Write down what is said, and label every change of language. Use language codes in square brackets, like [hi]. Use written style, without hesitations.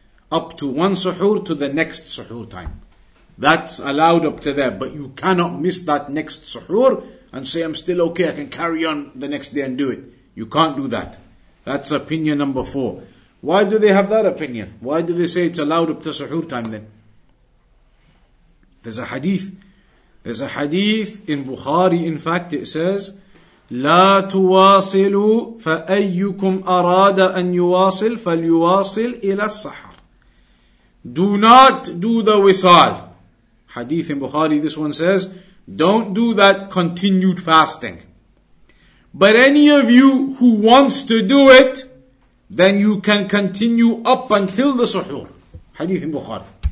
[en] Up to one suhoor to the next suhoor time. That's allowed up to there. But you cannot miss that next suhoor and say, I'm still okay, I can carry on the next day and do it. You can't do that. That's opinion number four. Why do they have that opinion? Why do they say it's allowed up to suhoor time then? There's a hadith. There's a hadith in Bukhari, in fact, it says, [ar] لا تواصلوا فأيكم أراد أن يواصل فليواصل إلى السحر. [en] Do not do the wisal. Hadith in Bukhari, this one says, don't do that continued fasting. But any of you who wants to do it, then you can continue up until the suhoor. Hadith in Bukhari.